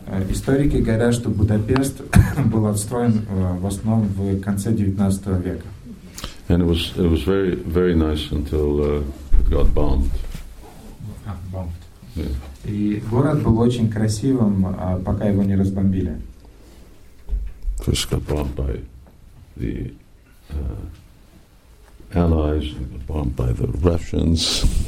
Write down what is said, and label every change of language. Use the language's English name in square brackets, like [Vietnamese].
[Russian] Историки говорят, что Будапешт был отстроен в основном в конце 19 века. [English] And it was very, very nice until it got bombed. Bombed. Yeah. [Russian] И город был очень красивым, пока его не разбомбили. [English] First got bombed by the Allies, bombed by the Russians.